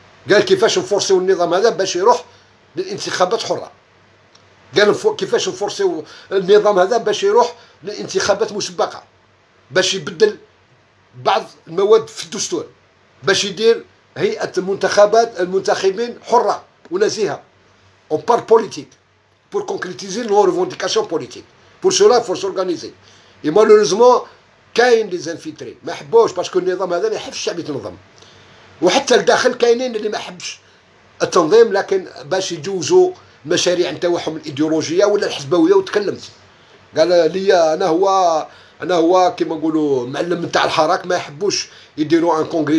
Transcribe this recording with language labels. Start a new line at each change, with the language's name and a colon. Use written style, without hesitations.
Arabic: قال كيفاش نفرسيو النظام هذا باش يروح للانتخابات حره، قال كيفاش نفرسيو النظام هذا باش يروح للانتخابات مسبقه، باش يبدل بعض المواد في الدستور، باش يدير هيئه المنتخبات المنتخبين حره ونزيهه. اون بار بوليتيك
French: pour concrétiser nos revendications politiques. Pour cela, il faut s'organiser. Et malheureusement,
Arabic: كاين
French: des infiltrés.
Arabic: ما حبوش باسكو النظام هذا ما يحبش شعب يتنظم. وحتى الداخل كاينين اللي ما حبش التنظيم لكن باش يجوزوا مشاريع نتاعهم الايديولوجيه ولا الحزبويه. وتكلمت. قال لي انا هو كيما نقولوا معلم نتاع الحراك، ما يحبوش يديروا ان كونغري.